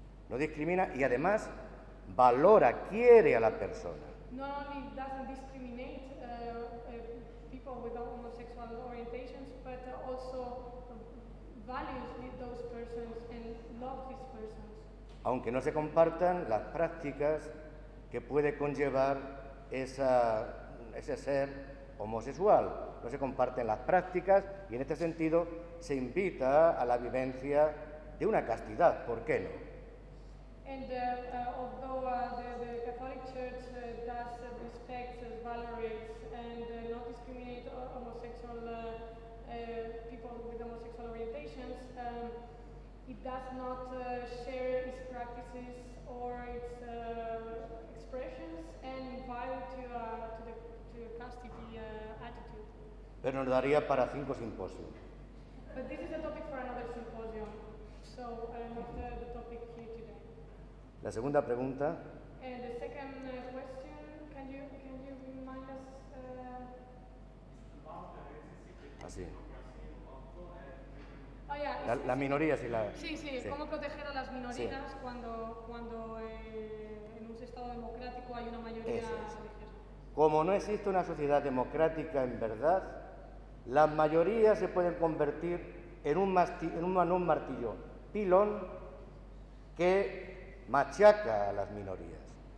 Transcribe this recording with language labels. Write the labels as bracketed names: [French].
[Spanish] No discrimina y además valora, quiere a la persona. No, [English] not only doesn't discriminate people with homosexual orientations, but also values those persons and loves these persons. [Spanish] Aunque no se compartan las prácticas que puede conllevar ese ser homosexual. No se comparten las prácticas y en este sentido se invita a la vivencia de una castidad, ¿por qué no? [English] And although the Catholic Church does respect, valorates and not discriminate homosexual people with homosexual orientations, it does not share its practices or its expressions and invite to the castity attitude. [Spanish] Pero nos daría para 5 simposios. [English] But this is a topic for another symposium, so not the topic here today. [Spanish] La segunda pregunta. [English] And the second question, can you remind us? [Spanish] Así. [English] Oh, yeah, [Spanish] la minoría, si la... Sí, sí, sí. ¿Cómo proteger a las minorías cuando en un estado democrático hay una mayoría religiosa? Como no existe una sociedad democrática en verdad, las mayorías se pueden convertir en un martillo pilón que machaca a las minorías.